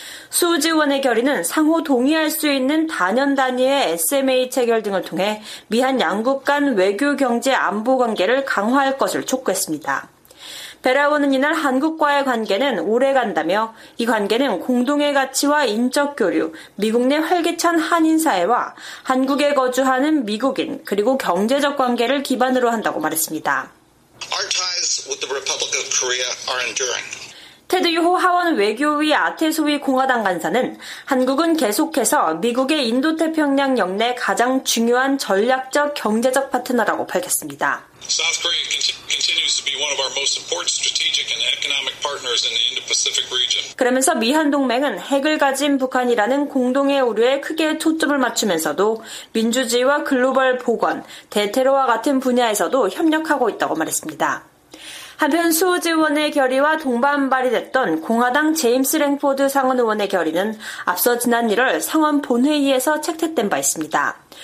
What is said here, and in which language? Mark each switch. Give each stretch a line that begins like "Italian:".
Korean: 수우지 의원의 결의는 상호 동의할 수 있는 단연 단위의 SMA 체결 등을 통해 미한 양국 간 외교 경제 안보 관계를 강화할 것을 촉구했습니다. 베라 의원은 이날 한국과의 관계는 오래간다며 이 관계는 공동의 가치와 인적 교류, 미국 내 활기찬 한인사회와 한국에 거주하는 미국인 그리고 경제적 관계를 기반으로 한다고 말했습니다.
English: Our ties with the Republic of Korea are enduring.
Korean: 테드 유호 하원 외교위 아테소위 공화당 간사는 한국은 계속해서 미국의 인도태평양 역내 가장 중요한 전략적 경제적 파트너라고 밝혔습니다.
English: South Korea continues to be one of our most important strategic and economic partners in the Indo-Pacific region.
Korean: 그러면서 미한동맹은 핵을 가진 북한이라는 공동의 우려에 크게 초점을 맞추면서도 민주주의와 글로벌 보건, 대테러와 같은 분야에서도 협력하고 있다고 말했습니다. 한편 수호지 의원의 결의와 동반 발의됐던 공화당 제임스 랭포드 상원 의원의 결의는 앞서 지난 1월 상원 본회의에서 채택된 바 있습니다.